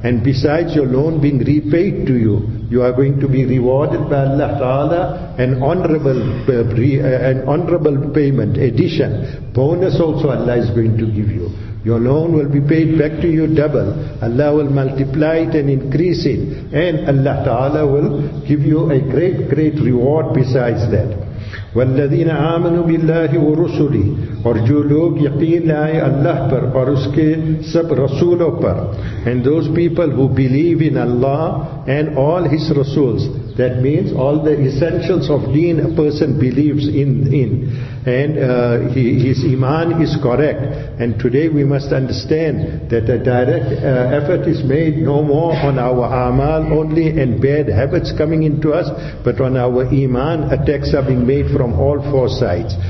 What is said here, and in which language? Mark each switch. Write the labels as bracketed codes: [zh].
[en] And besides your loan being repaid to you, you are going to be rewarded by Allah Ta'ala an honorable payment, addition. Bonus also Allah is going to give you. Your loan will be paid back to you double. Allah will multiply it and increase it. And Allah Ta'ala will give you a great, great reward besides that. [ar] وَالَّذِينَ آمَنُوا بِاللَّهِ وَرُسُلِهِ [ur] اور جو لوگ یقین لائے اللہ پر اور اس کے سب رسولوں پر. [en] And those people who believe in Allah and all His Rasuls, that means all the essentials of deen a person believes in. And his iman is correct. And today we must understand that a direct effort is made no more on our amal only and bad habits coming into us, but on our iman, attacks are being made from all four sides.